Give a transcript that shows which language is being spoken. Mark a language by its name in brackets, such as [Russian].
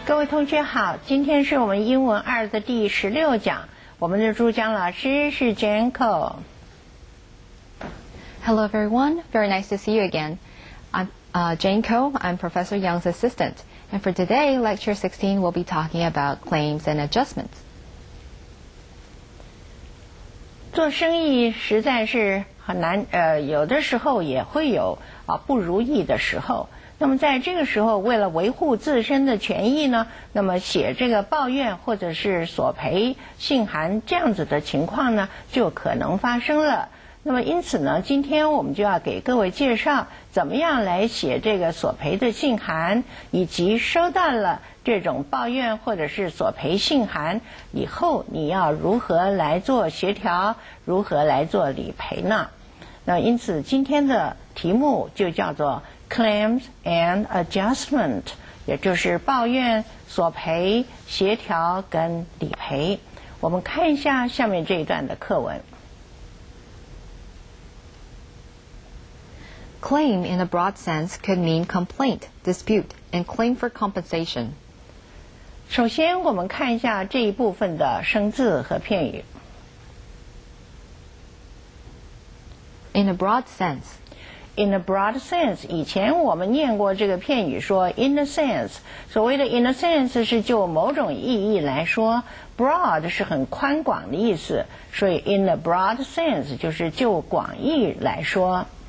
[Chinese] 同学好，今天是我们英文二的第十六讲，我们的朱江老师是 Janko。 [English] Hello everyone, very nice to see you again. I'm Janko, I'm Professor Yang's assistant. And for today, lecture 16, we'll be talking about claims and adjustments. [Chinese] 做生意实在是很难，有的时候也会有不如意的时候。那么在这个时候，为了维护自身的权益呢，那么写这个抱怨或者是索赔信函这样子的情况呢，就可能发生了。那么因此呢，今天我们就要给各位介绍怎么样来写这个索赔的信函，以及收到了这种抱怨或者是索赔信函以后，你要如何来做协调，如何来做理赔呢？那因此今天的题目就叫做 [English] Claims and adjustment， [Chinese] 也就是抱怨、索赔、协调跟理赔。我们看一下下面这一段的课文。 [English] Claim in a broad sense could mean complaint, dispute, and claim for compensation. [Chinese] 首先，我们看一下这一部分的生字和片语。 [English] In a broad sense. In a broad sense， [Chinese] 以前我们念过这个片语说 [English] in a sense， [Chinese] 所谓的 in a sense 是就某种意义来说， broad 是很宽广的意思，所以 [English] in a broad sense [Chinese] 就是就广义来说。